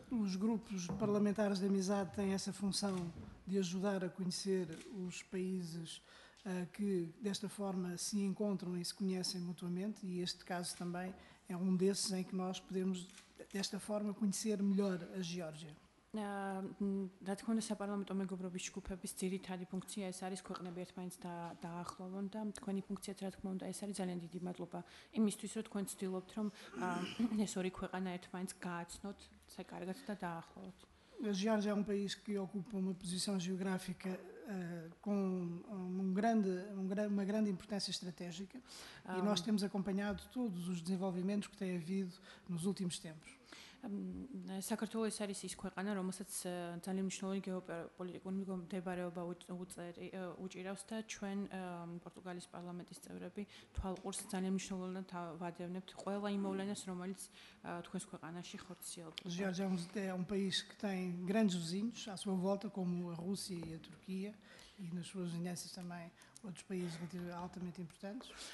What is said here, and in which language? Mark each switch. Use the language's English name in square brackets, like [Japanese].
[Portuguese] Os grupos parlamentares de amizade têm essa função de ajudar a conhecer os países que desta forma se encontram e se conhecem mutuamente, e este caso também é um desses em que nós podemos desta forma conhecer melhor a Geórgia. [Georgian] Ratkonda saparlamento მეგობრობის ჯგუფების ძირითადი ფუნქცია ეს არის ქვეყნები ერთმანეთს დაახლოვონ და თქვენი ფუნქციაც რა თქმა უნდა ეს არის ძალიან დიდი მადლობა იმისთვის რომ თქვენ ცდილობთ რომ ეს ორი ქვეყანა ერთმანეთს გააცნოთ ესე კარგად და დაახლოვოთ. [Portuguese] Geórgia é um país que ocupa uma posição geográfica com uma grande importância estratégica e nós temos acompanhado todos os desenvolvimentos que têm havido nos últimos tempos. [Georgian] Საქართველოს არის ის ქვეყანა, რომელსაც ძალიან მნიშვნელოვანი გეოპოლიტიკური მდებარეობა უჭირავს და ჩვენ პორტუგალიის პარლამენტის წევრები თვალყურს ძალიან მნიშვნელოვნად ვადევნებთ ყველა იმ მოვლენას, რომელიც თქვენს ქვეყანაში ხორციელდება. [Portuguese] Geórgia é um país que tem grandes vizinhos à sua volta, como a Rússia e a Turquia, e nas suas vizinhanças também outros países altamente importantes.